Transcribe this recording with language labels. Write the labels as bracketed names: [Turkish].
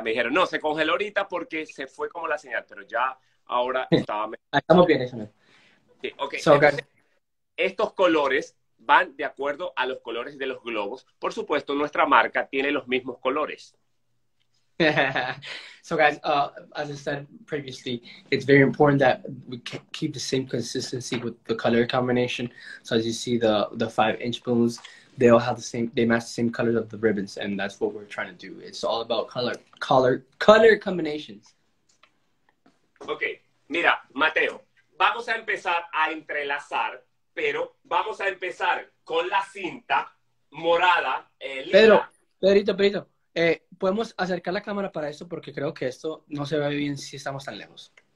[Spanish] Me dijeron, no, se congeló ahorita porque se fue como la señal, pero ya ahora estaba... Estamos bien, eso. Sí, okay. So, entonces, estos colores van de acuerdo a los colores de los globos. Por supuesto, nuestra marca tiene los mismos colores. [English] So guys, as I said previously, it's very important that we keep the same consistency with the color combination. So as you see, the 5-inch balloons, they all have the same, they match the same colors of the ribbons, and that's what we're trying to do. It's all about color combinations. [Spanish] Okay, mira, Mateo, vamos a empezar a entrelazar, pero vamos a empezar con la cinta morada. Pedrito. ¿Podemos acercar la cámara para esto? Porque creo que esto no se ve bien si estamos tan lejos.